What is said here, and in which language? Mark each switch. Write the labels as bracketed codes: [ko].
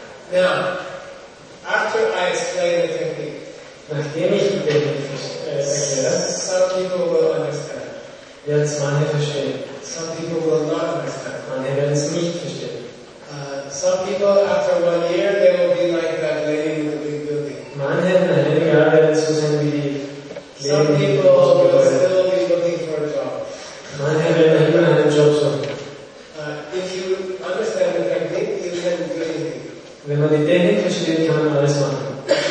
[en] Now, after I explain the technique, [de] nachdem ich die Technik erkläre, [en] some people will understand. [de] Ja, manche verstehen. [en] Some people will not understand. [de] Manche werden es nicht verstehen. [en] Some people, after 1 year, they will be like that lady in the big building. [de] Manche werden ja werden so sein wie die. [en] Some people will still be looking for a job. [de] Manche werden immer einen Job suchen. [en] If you understand the technique, you can do anything. [de] Wenn man die Technik versteht, kann man alles machen.